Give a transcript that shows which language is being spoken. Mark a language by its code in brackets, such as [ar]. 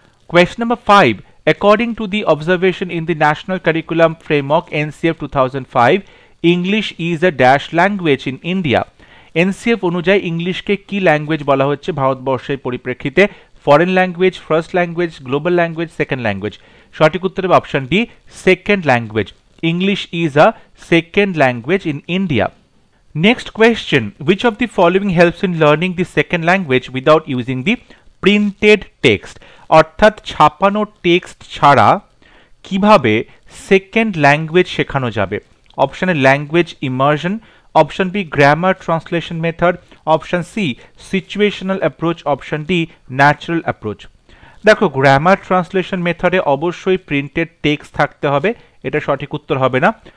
[en] Question number five, according to the observation in the national curriculum framework NCF 2005, English is a dash language in India. [bn] NCF অনুযায়ী ইংলিশকে কি language বলা হচ্ছে ভারতবর্ষের পরিপ্রেক্ষিতে, foreign language, first language, global language, second language. সঠিক উত্তর হবে option D second language, [en] English is a second language in India. Next question, which of the following helps in learning the second language without using the printed text? [bn] অর্থাৎ ছাপানো text ছাড়া কিভাবে second language শেখানো যাবে? [en] Option A language immersion, option B grammar translation method, option C situational approach, option D natural approach. [bn] দেখো, grammar translation মেথডে অবশ্যই printed text থাকতে হবে, এটা সঠিক উত্তর হবে না।